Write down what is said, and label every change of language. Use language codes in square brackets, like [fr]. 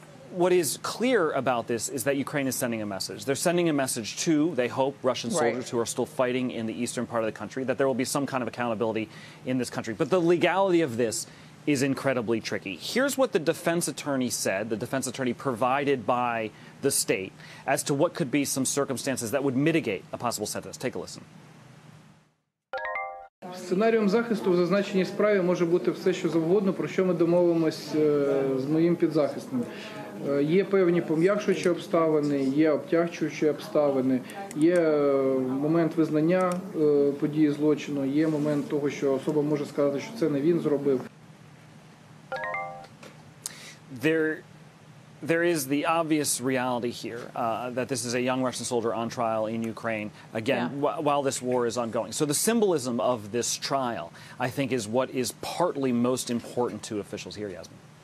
[en] What is clear about this is that Ukraine is sending a message. They're sending a message to, they hope, Russian soldiers who are still fighting in the eastern part of the country, that there will be some kind of accountability in this country. But the legality of this is incredibly tricky. Here's what the defense attorney said, the defense attorney provided by the state, as to what could be some circumstances that would mitigate a possible sentence. Take a listen. [uk] Сценарієм захисту в зазначеній справі може бути все, що завгодно, про що ми домовимось з моїм підзахисним. Є певні пом'якшуючі обставини, є обтягчуючі обставини, є момент визнання події злочину, є момент того, що особа може сказати, що це не він зробив. [en] There is the obvious reality here that this is a young Russian soldier on trial in Ukraine, again, while this war is ongoing. So the symbolism of this trial, I think, is what is partly most important to officials here, Yasmin.